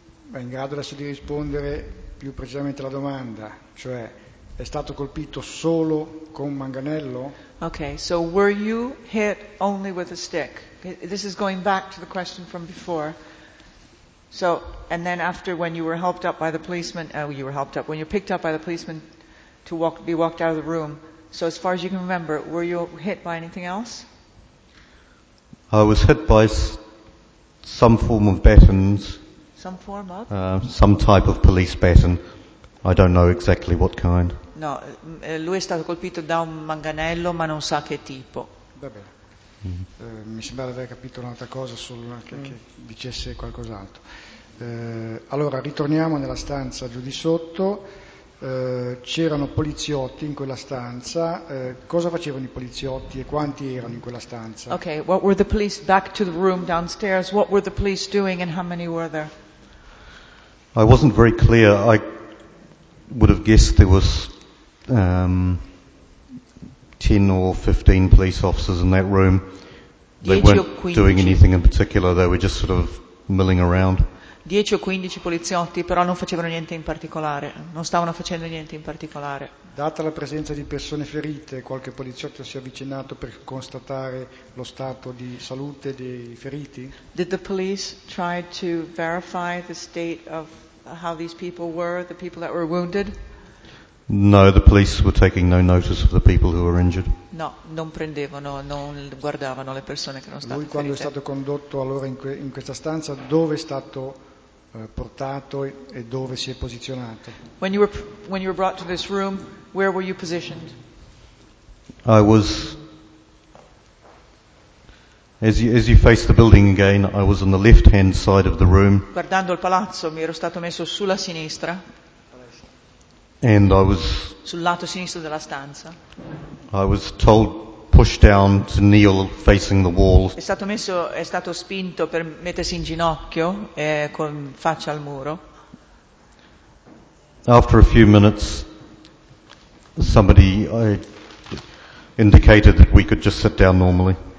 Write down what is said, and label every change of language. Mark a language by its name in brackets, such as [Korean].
[Italian] È in grado adesso di rispondere più precisamente alla domanda, cioè è stato colpito solo con un manganello? [English] Okay, so were you hit only with a stick? This is going back to the question from before. So, and then after when you were helped up by the policeman, when you were picked up by the policeman to walk, be walked out of the room, so as far as you can remember, were you hit by anything else? I was hit by some form of batons. Some form of? Some type of police baton. I don't know exactly what kind. [Italian] No, lui è stato colpito da un manganello, ma non sa che tipo. Va bene. Mi sembra di aver capito un'altra cosa, solo che dicesse qualcos'altro. Allora, ritorniamo nella stanza giù di sotto. C'erano poliziotti in quella stanza. Cosa facevano i poliziotti e quanti erano in quella stanza? [English] Okay, what were the police back to the room downstairs? What were the police doing and how many were there? I wasn't very clear. I would have guessed there was 10 or 15 police officers in that room. They weren't doing anything in particular, they were just sort of milling around. [Italian] 10 o 15 poliziotti, però non facevano niente in particolare, non stavano facendo niente in particolare. Data la presenza di persone ferite, qualche poliziotto si è avvicinato per constatare lo stato di salute dei feriti? [English] Did the police try to verify the state of how these people were, the people that were wounded? No, the police were taking no notice of the people who were injured. [Italian] No, non prendevano, non guardavano le persone che erano state ferite. Lui quando è stato condotto allora in questa stanza, dove è stato portato e dove si è posizionato? [English] When you were brought to this room, where were you positioned? I was, as you faced the building again, I was on the left-hand side of the room. [Italian] Guardando il palazzo, mi ero stato messo sulla sinistra. [English] And I was [Italian] sul lato sinistro della stanza. [English] I was told push down to kneel facing the wall. [Italian] È stato spinto per mettersi in ginocchio con faccia al muro. [English] After a few minutes, somebody indicated that we could just sit down normally.